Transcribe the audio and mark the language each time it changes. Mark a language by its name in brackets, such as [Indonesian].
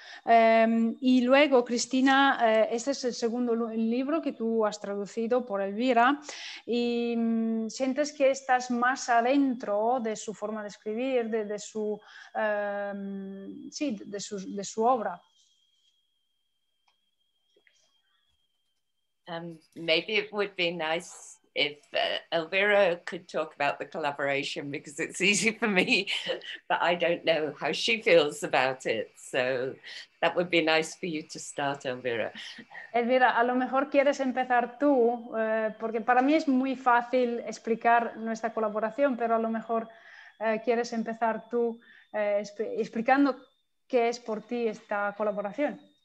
[Spanish] Y luego, Cristina, este es el segundo libro que tú has traducido por Elvira, y sientes que estás más adentro de su forma de escribir, de su obra. [English] Maybe it would be nice if Elvira could talk about the collaboration, because it's easy for me, but I don't know how she feels about it. So that would be nice for you to start, Elvira. [Spanish] Elvira, a lo mejor quieres empezar tú, porque para mí es muy fácil explicar nuestra colaboración, pero a lo mejor quieres empezar tú explicando qué es por ti esta colaboración.